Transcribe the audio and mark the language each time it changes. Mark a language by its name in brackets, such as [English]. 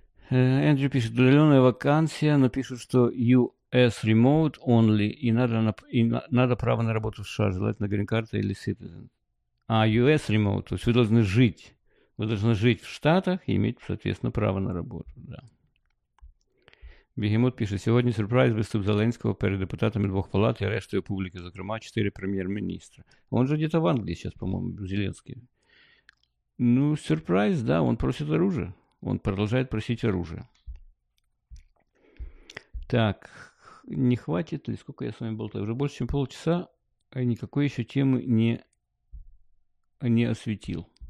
[Russian] Эндрю пишет, удаленная вакансия, но пишут, что [English] US remote only, [Russian] и надо право на работу в США, желательно грин-карта или citizen. А US remote, то есть вы должны жить в Штатах и иметь, соответственно, право на работу, да. Бегемот пишет, [Ukrainian] сьогодні сюрприз виступ Зеленського перед депутатами двох палат і рештою публіки, зокрема, чотири прем'єр-міністра. [Russian] Он же где-то в Англії сейчас, по-моему, Зеленський. Ну, сюрприз, да, он просит оружие. Он продолжает просить оружие. Так, не хватит ли, сколько я с вами болтаю? Уже больше, чем полчаса, а никакой еще темы не осветил.